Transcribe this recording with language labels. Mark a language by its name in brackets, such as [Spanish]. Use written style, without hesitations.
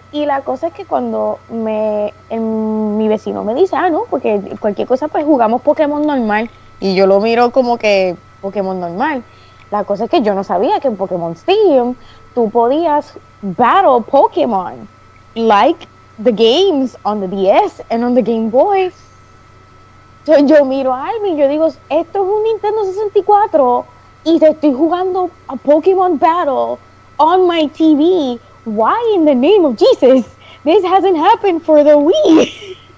[Spanish] Y la cosa es que cuando mi vecino me dice, no, porque cualquier cosa, pues jugamos Pokémon normal. Y yo lo miro como que Pokémon normal. La cosa es que yo no sabía que en Pokémon Stadium tú podías battle Pokémon. [English] Like the games on the DS and on the Game Boy. [Spanish] Yo miro a Alvin y yo digo, esto es un Nintendo 64 y te estoy jugando a Pokémon Battle [English] on my TV. Why in the name of Jesus? This hasn't happened for the Wii.